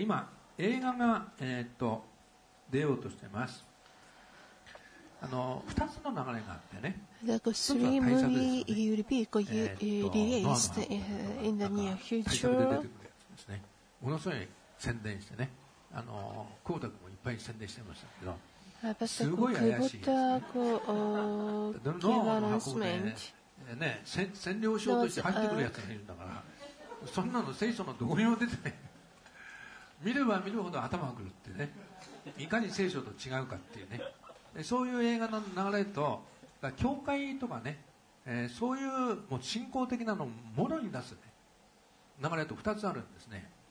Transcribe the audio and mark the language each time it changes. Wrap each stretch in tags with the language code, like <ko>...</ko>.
<ja>今映画が出ようとしてます。 2つの流れがあってね。</ja> <en>The three movie will be released in the near future。</en> <ja>ものすごい宣伝してね。久保田君もいっぱい宣伝してましたけど。すごい怪しいですね。久保田君の announcement。でね、占領しようとして入ってくるやつがいるんだから、そんなの聖書のどこにも出てない見れば見るほど頭が狂ってね、いかに聖書と違うかっていうね、そういう映画の流れと、だ教会とかね、そういう、もう信仰的なのをものに出す、ね、流れと2つあるんですね。</ja>